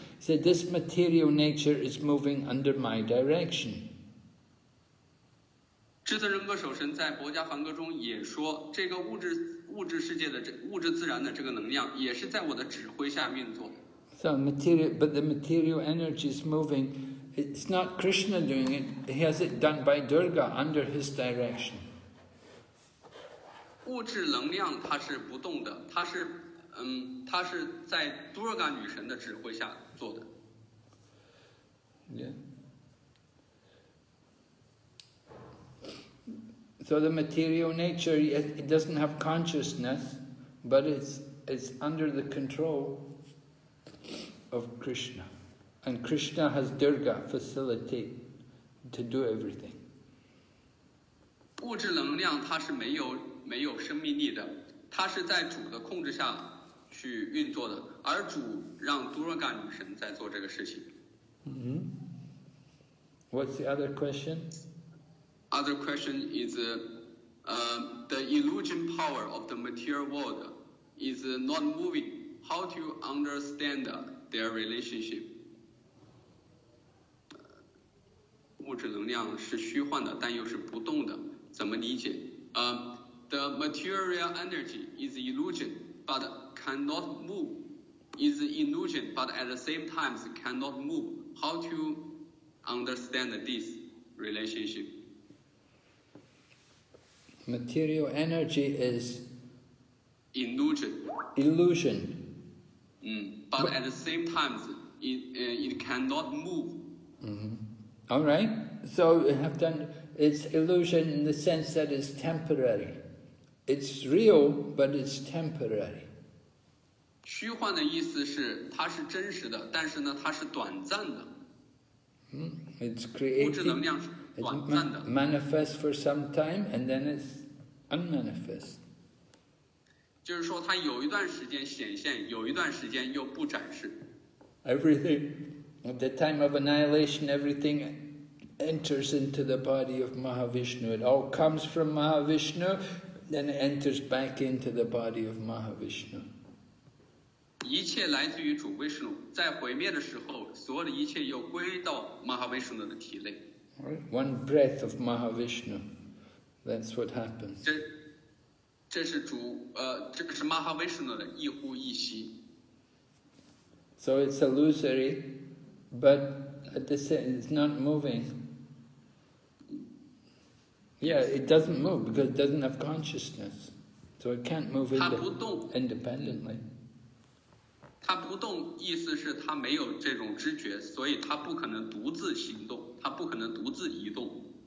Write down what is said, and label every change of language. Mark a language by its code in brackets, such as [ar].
[en] He said, "This material nature is moving under my direction." [zh] 智者人格守神在薄伽梵歌中也说，这个物质世界的物质自然的这个能量，也是在我的指挥下运作。 [en] So the material energy is moving. It's not Krishna doing it, he has it done by Durga under his direction. [zh] 物质能量它是不动的，它是在 Durga 女神的指挥下做的。 [en] Yeah. So the material nature, it doesn't have consciousness, but it's under the control of Krishna. And Krishna has Durga facilitate to do everything. [zh] 物质能量它是没有生命力的，它是在主的控制下去运作的，而主让 Durga 女神在做这个事情。 [en] Mm-hmm. What's the other question? Other question is, the illusion power of the material world is not moving. How do you understand their relationship? [zh] 物质能量是虚幻的，但又是不动的，怎么理解？ [en] The material energy is illusion, but cannot move. Is illusion, but at the same time cannot move. How to understand this relationship? Material energy is illusion. Illusion. But at the same time, it cannot move. Mm-hmm. All right, so we have done, it's illusion in the sense that it's temporary. It's real, but it's temporary. [zh] 虚幻的意思是它是真实的，但是呢它是短暂的。 [en] It's created, [zh] 物质能量是短暂的。 [en] It manifests for some time, and then it's unmanifest. [zh] 就是说它有一段时间显现，有一段时间又不展示。 [en] Everything. At the time of annihilation, everything enters into the body of Mahavishnu. It all comes from Mahavishnu, then it enters back into the body of Mahavishnu. [zh] 一切来自于主 Vishnu， 在毁灭的时候，所有的一切又归到 Mahavishnu 的体内。 [en] One breath of Mahavishnu. That's what happens. [zh] 这是 Mahavishnu 的一呼一吸。 [en] So it's illusory. But at the same, it's not moving. Yeah, it doesn't move because it doesn't have consciousness. So it can't move independently. [zh] 它不动，意思是它没有这种知觉，所以它不可能独自行动，它不可能独自移动。